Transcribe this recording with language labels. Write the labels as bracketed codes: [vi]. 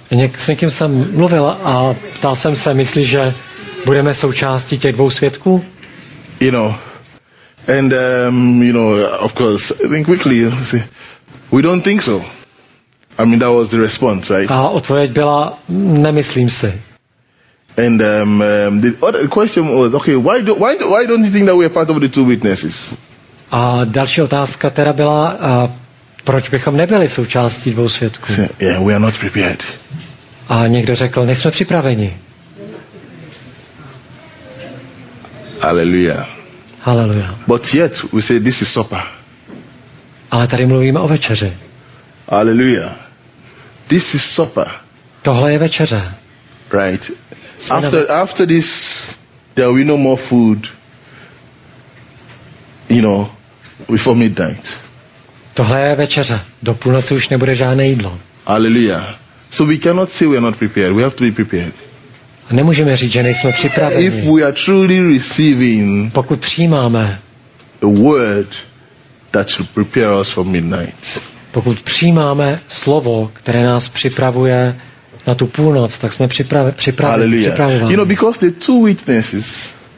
[cs] S někým jsem mluvil a ptal jsem se, myslíš, že budeme součástí těch dvou svědků? [en] You know, and you know, of course, I think quickly, see, we don't think so. I mean, that was the response, right? [cs] A odpověď byla, nemyslím si. [en] And the other question was, okay, why don't you think that we are part of the two witnesses? [cs] A další otázka teda byla. Proč bychom nebyli součástí dvou svědků? [en] Yeah, we are not prepared. [cs] A někdo řekl, nejsme připraveni. [en] Hallelujah. Hallelujah. But yet we say this is supper. [cs] Ale tady mluvíme o večeři. [en] Hallelujah. This is supper. [cs] Tohle je večeře. [en] Right. After this there will be no more food. You know, before midnight. [cs] Tohle je večeře. Do půlnoci už nebude žádné jídlo. Alleluja. [en] So we cannot say we are not prepared. We have to be prepared. [cs] A nemůžeme říct, že nejsme připraveni. [en] If we are truly receiving, [cs] pokud přijímáme [en] the word that should prepare us for midnight. [cs] Pokud přijímáme slovo, které nás připravuje na tu půlnoc, tak jsme připraveni. [en] You know, because the two witnesses.